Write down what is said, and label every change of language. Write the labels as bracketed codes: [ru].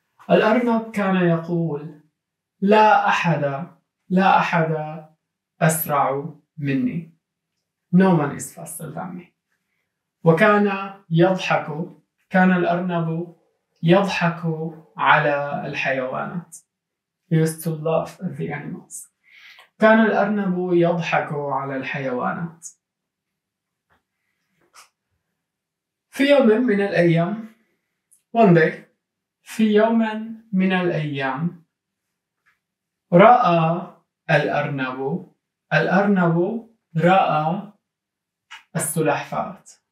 [ar] الأرنب كان يقول لا أحد، لا أحد أسرع مني. [en] No one is faster than me. [ar] وكان يضحك، كان الأرنب يضحك على الحيوانات. [en] He used to laugh at the animals. [ar] كان الأرنب يضحك على الحيوانات. في يوم من الأيام، [en] one day، [ar] في يوم من الأيام، رأى الأرنب، الأرنب رأى السلحفاة.